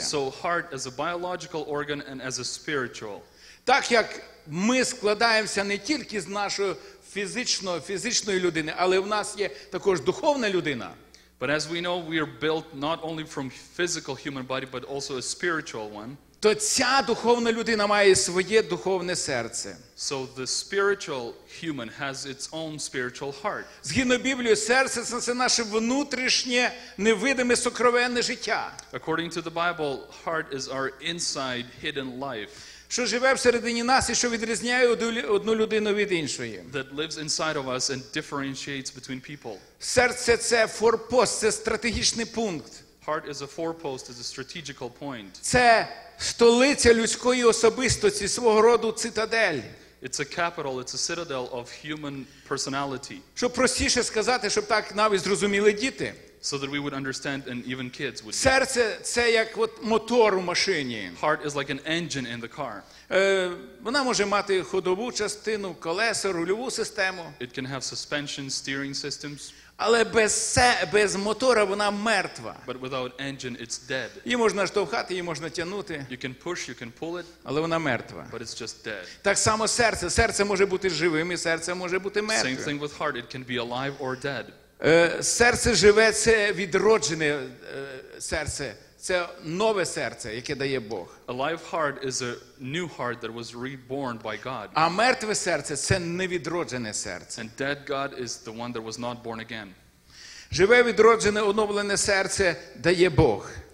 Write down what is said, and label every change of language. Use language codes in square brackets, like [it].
[en] So heart as a biological organ and as a spiritual. [uk] Так як ми складаємося не тільки з нашої фізичної людини, але в нас є також духовна людина. [en] But as we know, we are built not only from physical human body, but also a spiritual one. [uk] То ця духовна людина має своє духовне серце. [en] So the spiritual human has its own spiritual heart. [uk] Згідно Біблії, серце – це наше внутрішнє, невидиме, сокровенне життя. [en] According to the Bible, heart is our inside, hidden life. [uk] Що живе всередині нас і що відрізняє одну людину від іншої. [en] That lives inside of us and differentiates between people. [uk] Серце – це форпост, це стратегічний пункт. [en] Heart is a forepost, is a strategical point. [uk] Це столиця людської особистості, свого роду цитадель. [en] It's a capital, it's a citadel of human personality. [uk] Щоб простіше сказати, щоб так навіть зрозуміли діти. [en] So that we would understand and even kids would. [uk] Серце це як от мотор у машині. [en] Heart is like an engine in the car. [uk] Вона може мати ходову частину, колеса, рульову систему. [en] It can have suspension, steering systems. [uk] Але без мотора вона мертва. [en] But without engine, it's dead. [uk] Її можна штовхати, її можна тягнути. [en] You can push, you can pull it. [uk] Але вона мертва. [en] But it's just dead. [uk] Так само серце. Серце може бути живим, і серце може бути мертвим. [en] Same thing with heart. It can be alive or dead. [uk] Серце живе, це відроджене серце. Це нове серце, яке дає Бог. [en] A live heart is a new heart that was reborn by God. [uk] А мертве серце – це невідроджене серце. [en] And dead God is the one that was not born again. [uk] Живе, відроджене, оновлене серце дає Бог.